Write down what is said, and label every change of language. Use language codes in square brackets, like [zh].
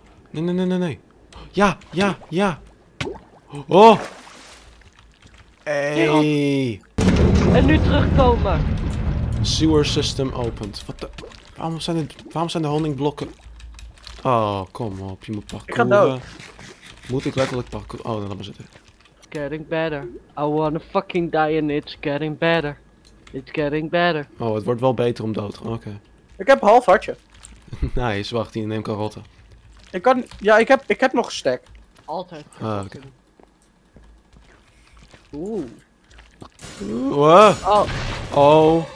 [nl] Nee. Ja. Oh! Hey! En nu terugkomen! [en] Sewer system opened. [nl] Wat de... Waarom zijn de honingblokken... Oh, kom op. Je moet parkouren. Ik ga dood. Moet ik letterlijk parkouren? Oh, dan laat maar zitten. [en] Getting better. I wanna fucking die and it's getting better. It's getting better. [nl] Oh, het wordt wel beter om dood. Oké. Ik heb een half hartje. Nice, wacht. Hier neem ik een rotte. Ik kan... Ja, ik heb nog een stack. Altijd. Oké. Oeh. Oeh. Oh. Oh.